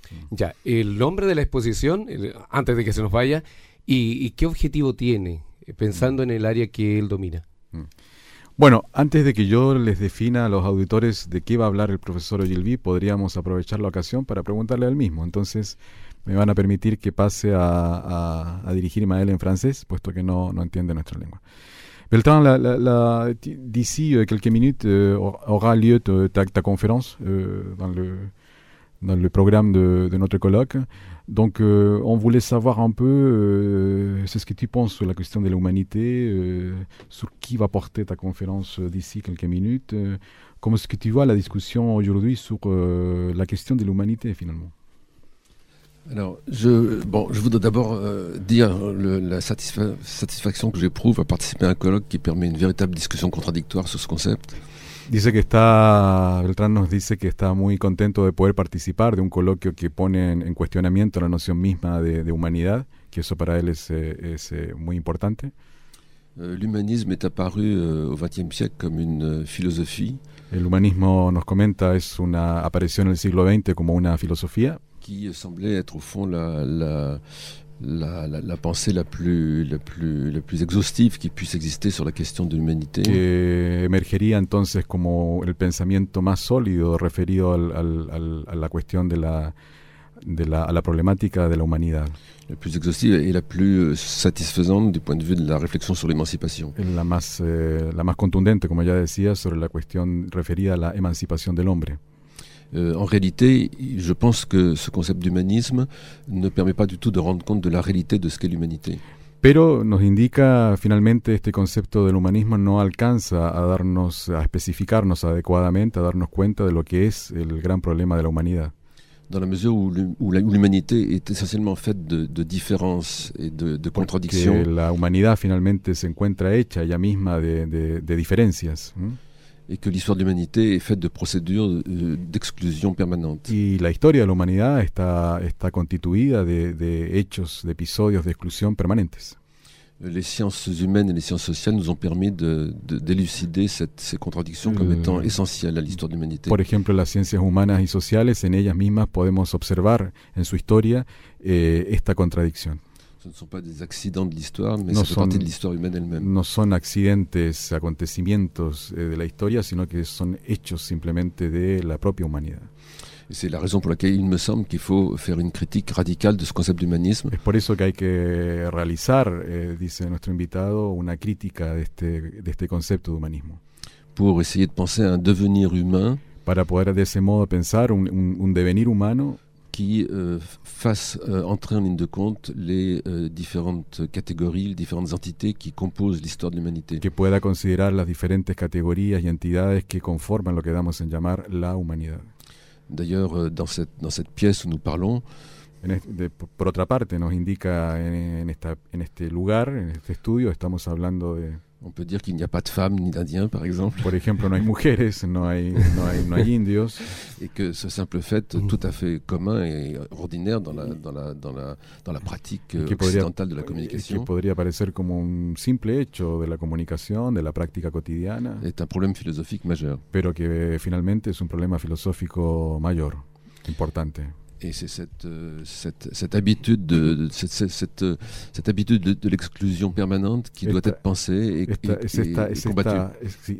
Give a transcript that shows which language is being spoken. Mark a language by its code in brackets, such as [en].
[es] Ya, el nombre de la exposición, antes de que se nos vaya, ¿y qué objetivo tiene, pensando en el área que él domina? Bueno, antes de que yo les defina a los auditores de qué va a hablar el profesor Gilvi, podríamos aprovechar la ocasión para preguntarle al mismo. Entonces, ¿me van a permitir que pase a dirigirme a él en francés, puesto que no entiende nuestra lengua? [fr] Beltrán, d'ici quelques minutes aura lieu ta conférence dans le programme de notre colloque. Donc, on voulait savoir un peu, c'est ce que tu penses sur la question de l'humanité, sur qui va porter ta conférence d'ici quelques minutes. Comment est-ce que tu vois la discussion aujourd'hui sur la question de l'humanité, finalement? Alors, je voudrais d'abord dire la satisfaction que j'éprouve à participer à un colloque qui permet une véritable discussion contradictoire sur ce concept. [es] Dice que está, Beltrán nos dice que está muy contento de poder participar de un coloquio que pone en cuestionamiento la noción misma de humanidad, que eso para él es muy importante. [fr] L'humanisme est apparu au XXe siècle comme une philosophie. [es] El humanismo, nos comenta, apareció en el siglo XX como una filosofía. [fr] Qui semblait être au fond la pensée la plus exhaustive qui puisse exister sur la question de l'humanité. [es] Que emergería entonces como el pensamiento más sólido referido a la cuestión de la problemática de la humanidad. [fr] La plus exhaustive et la plus satisfaisante du point de vue de la réflexion sur l'émancipation. [es] La más contundente, como ya decía, sobre la cuestión referida a la emancipación del hombre. [fr] En réalité, je pense que ce concept d'humanisme ne permet pas du tout de rendre compte de la réalité de ce qu'est l'humanité. [es] Pero nos indica finalmente este concepto del humanismo no alcanza a especificarnos adecuadamente, a darnos cuenta de lo que es el gran problema de la humanidad. [fr] Dans la mesure où l'humanité est essentiellement faite de différences et de contradictions. [es] Que la humanidad finalmente se encuentra hecha ella misma de diferencias. [fr] Et que l'histoire de l'humanité est faite de procédures d'exclusion permanente. [es] Y la historia de la humanidad está constituida de hechos, de episodios de exclusión permanentes. [fr] Les sciences humaines et les sciences sociales nous ont permis d'élucider ces contradictions comme étant essentielles à l'histoire de l'humanité. [es] Por ejemplo, las ciencias humanas y sociales, en ellas mismas podemos observar en su historia esta contradicción. [fr] Ce ne sont pas des accidents de l'histoire, mais c'est partie de l'histoire humaine elle-même. [es] No son accidentes, acontecimientos de la historia, sino que son hechos simplemente de la propia humanidad. [fr] Et c'est la raison pour laquelle il me semble qu'il faut faire une critique radicale de ce concept d'humanisme. [es] Es por eso que hay que realizar, dice nuestro invitado, una crítica de este concepto de humanismo. [fr] pour essayer de penser à un devenir humain. [es] Para poder de ese modo pensar un devenir humano. [fr] Qui fasse entrer en ligne de compte les différentes catégories, les différentes entités qui composent l'histoire de l'humanité. [es] Que pueda considerar las diferentes categorías y entidades que conforman lo que damos en llamar la humanidad. [fr] D'ailleurs, dans cette pièce où nous parlons, [es] por otra parte, nos indica en este lugar, en este estudio, estamos hablando de. [fr] On peut dire qu'il n'y a pas de femmes ni d'indiens, par exemple. [es] Por ejemplo, no hay mujeres, no hay indios. [fr] Et que ce simple fait tout à fait commun et ordinaire dans la pratique occidentale de la communication. [es] Que podría parecer como un simple hecho de la comunicación, de la práctica cotidiana. [fr] Est un problème philosophique majeur. [es] Pero que finalmente es un problema filosófico mayor, importante. [fr] Et c'est cette habitude de l'exclusion permanente qui doit être pensée et combattue.